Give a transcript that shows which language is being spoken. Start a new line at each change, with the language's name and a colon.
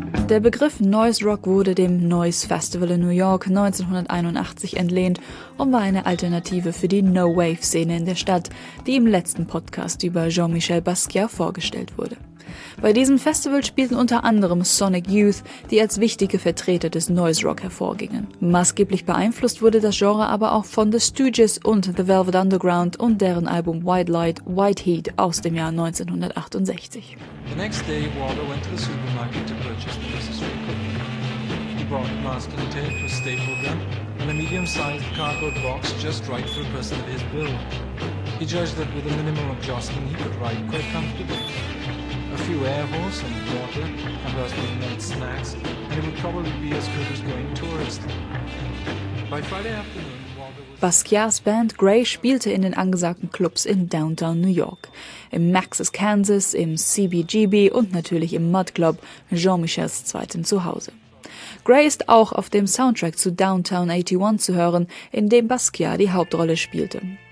German: Der Begriff Noise Rock wurde dem Noise Festival in New York 1981 entlehnt und war eine Alternative für die No-Wave-Szene in der Stadt, die im letzten Podcast über Jean-Michel Basquiat vorgestellt wurde. Bei diesem Festival spielten unter anderem Sonic Youth, die als wichtige Vertreter des Noise Rock hervorgingen. Maßgeblich beeinflusst wurde das Genre aber auch von The Stooges und The Velvet Underground und deren Album White Light, White Heat aus dem Jahr 1968.
English: The next day, Waldo went to the supermarket to purchase the Christmas record. He brought a masking tape, a staple gun, and a medium-sized cardboard box just right for a person of his build. He judged that with a minimum of jostling, he could ride quite comfortably. A few air holes, some water, and roasted nuts, snacks, and it would probably be as good as going tourist. By Friday afternoon,
German: Basquiats Band Grey spielte in den angesagten Clubs in Downtown New York. Im Max's Kansas, im CBGB und natürlich im Mud Club, Jean-Michels zweitem Zuhause. Grey ist auch auf dem Soundtrack zu Downtown 81 zu hören, in dem Basquiat die Hauptrolle spielte.